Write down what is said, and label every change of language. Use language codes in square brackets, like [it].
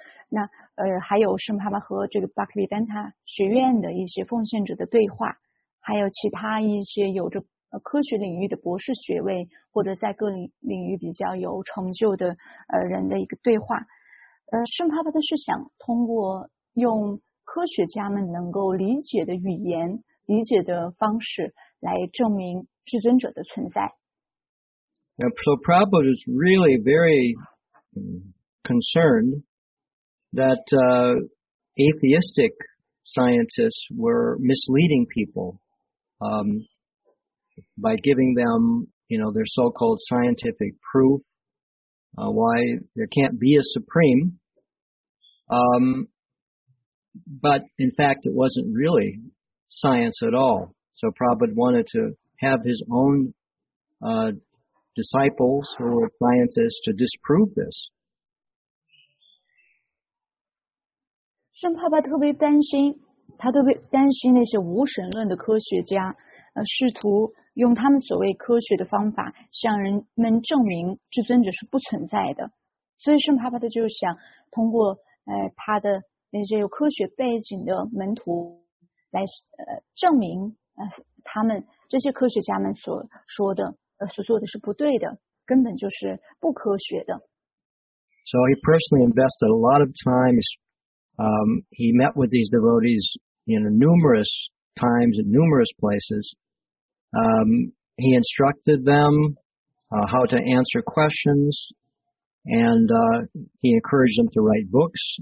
[zh] 那还有圣帕巴和这个巴克利丹塔学院的一些奉献者的对话，还有其他一些有着科学领域的博士学位或者在各领域比较有成就的人的一个对话。圣帕巴的是想通过用科学家们能够理解的语言、理解的方式来证明至尊者的存在。 [en] So Prabhupada is really very concerned that atheistic scientists were misleading people by giving them, their so-called scientific proof why there can't be a supreme. But in fact, it wasn't really science at all. So Prabhupada wanted to have his own disciples who were scientists to disprove this. [zh] 圣帕巴特别担心，他特别担心那些无神论的科学家，试图用他们所谓科学的方法向人们证明至尊者是不存在的。所以圣帕巴特就想通过他的那些有科学背景的门徒来证明他们这些科学家们所说的所做的是不对的，根本就是不科学的。 [en] So he personally invested a lot of time. He met with these devotees numerous times in numerous places. He instructed them how to answer questions, and he encouraged them to write books.